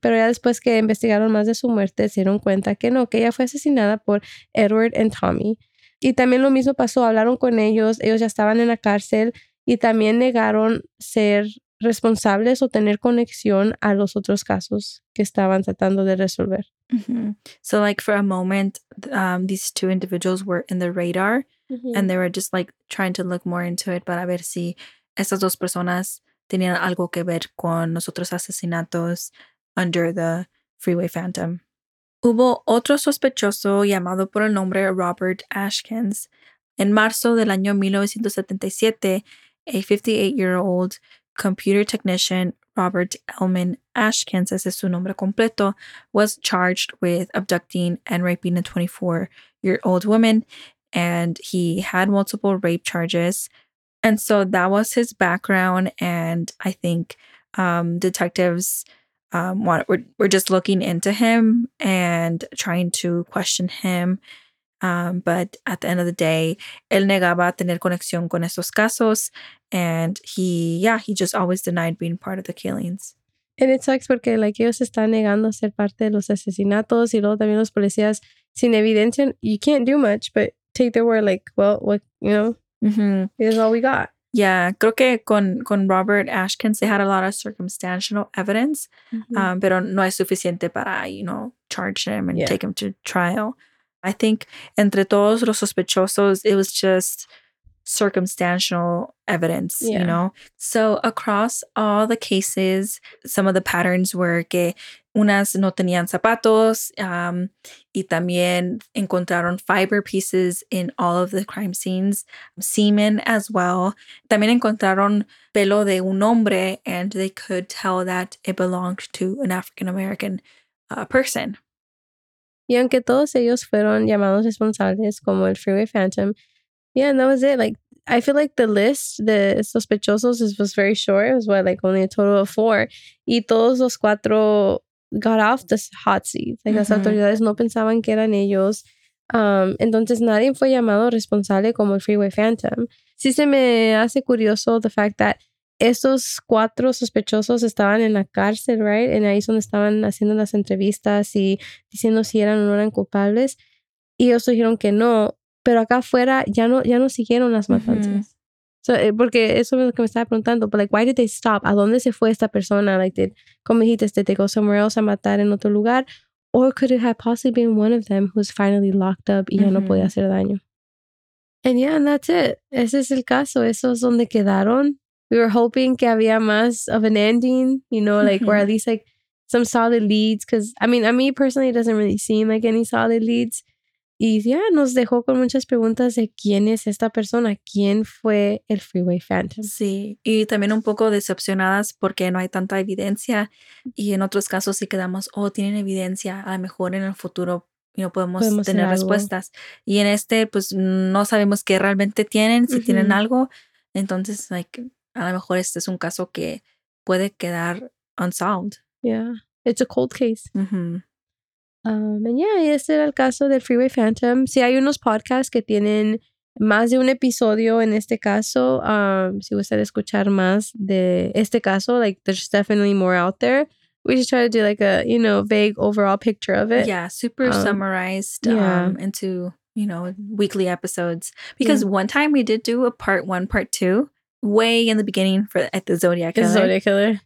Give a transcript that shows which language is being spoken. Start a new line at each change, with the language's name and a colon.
Spanish: Pero ya después que investigaron más de su muerte, se dieron cuenta que no, que ella fue asesinada por Edward and Tommy. Y también lo mismo pasó. Hablaron con ellos. Ellos ya estaban en la cárcel y también negaron ser responsables o tener conexión a los otros casos que estaban tratando de resolver. Mm-hmm.
English: So, like, for a moment, these two individuals were in the radar.
Spanish: Mm-hmm.
English: And they were just like trying to look more into it
Spanish: para ver si esas dos personas tenían algo que ver con los otros asesinatos
English: under the
Spanish: Freeway Phantom. Hubo otro sospechoso llamado por el nombre Robert Ashkins. En marzo del año 1977,
English: a 58-year-old computer technician Robert Elman Ashkins,
Spanish: ese es su nombre completo,
English: was charged with abducting and raping a 24-year-old woman. And he had multiple rape charges. And so that was his background. And I think detectives were just looking into him and trying to question him. But at the end of the day,
Spanish: él negaba tener conexión con esos casos.
English: And he just always denied being part of the killings. And it sucks
Spanish: porque
English: like
Spanish: ellos están negando ser parte de los asesinatos y luego también los policías sin evidencia.
English: You can't do much, but take the word like, well, what, you know, mm-hmm. is all we got. Yeah,
Spanish: creo que con
English: Robert Ashkins, they had a lot of circumstantial evidence, mm-hmm.
Spanish: Pero no es suficiente para,
English: you know, charge him and take him to trial. I think
Spanish: entre todos los sospechosos,
English: it was just circumstantial evidence, you know. So across all the cases, some of the patterns were
Spanish: que unas no tenían zapatos, y también encontraron
English: fiber pieces in all of the crime scenes, semen as well.
Spanish: También encontraron pelo de un hombre,
English: and they could tell that it belonged to an African-American person.
Spanish: Y aunque todos ellos fueron llamados responsables, como el Freeway Phantom,
English: yeah, and that was it. Like, I feel like the list, the sospechosos, was very short. It was, what, like, only a total of four.
Spanish: Y todos los cuatro
English: got off the hot seat.
Spanish: Like, mm-hmm. las autoridades no pensaban que eran ellos. Entonces, nadie fue llamado responsable como el Freeway Phantom. Sí se me hace curioso
English: the fact that
Spanish: estos cuatro sospechosos estaban en la cárcel, right? En ahí es donde estaban haciendo las entrevistas y diciendo si eran o no eran culpables. Y ellos dijeron que no. Pero acá afuera ya no siguieron las matanzas. Mm-hmm. So, porque eso es lo que me estaba preguntando.
English: But like, why did they stop?
Spanish: ¿A dónde se fue esta persona?
English: Like,
Spanish: como dijiste,
English: did they go somewhere else
Spanish: a matar en otro lugar?
English: Or could it have possibly been one of them who's finally locked up y mm-hmm.
Spanish: ya no podía hacer daño?
English: And yeah, and that's it.
Spanish: Ese es el caso. Eso es donde quedaron.
English: We were hoping
Spanish: que había más
English: of an ending, you know, like, mm-hmm. or at least like some solid leads. Because, I mean,
Spanish: a mí
English: personally, it doesn't really seem like any solid leads.
Spanish: Y ya nos dejó con muchas preguntas de quién es esta persona, quién fue el Freeway Phantom. Sí, y también un poco decepcionadas porque no hay tanta evidencia. Y en otros casos sí quedamos, tienen evidencia, a lo mejor en el futuro no podemos tener respuestas. Y en este, pues no sabemos qué realmente tienen, si uh-huh. tienen algo. Entonces, like, a lo mejor este es un caso que puede quedar unsolved.
English: Yeah, it's a cold case. Uh-huh. And yeah,
Spanish: este era el caso del Freeway Phantom. Sí, hay unos podcasts que tienen más de un episodio en este caso. Si gustan escuchar más de este caso,
English: like, there's definitely more out there. We just try to do like a, you know, vague overall picture of it. Yeah, super summarized into, you know, weekly episodes. Because one time we did do a part one, part two, way in the beginning for at the Zodiac Killer. The Zodiac Killer.